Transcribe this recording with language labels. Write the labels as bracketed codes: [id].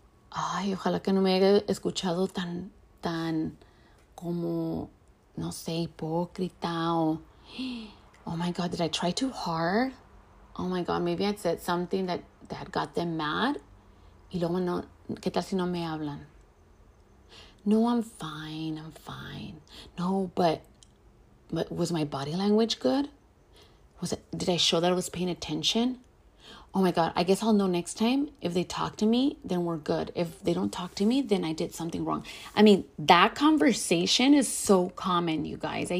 [es] Ay, ojalá que no me haya escuchado tan como, no sé, hipócrita o, [en] oh my God, did I try too hard? Oh my God, maybe I said something that got them mad. [es] Y luego no, ¿qué tal si no me hablan? [en] No, I'm fine. No, but was my body language good? Did I show that I was paying attention? Oh my God, I guess I'll know next time. If they talk to me, then we're good. If they don't talk to me, then I did something wrong. I mean, that conversation is so common, you guys.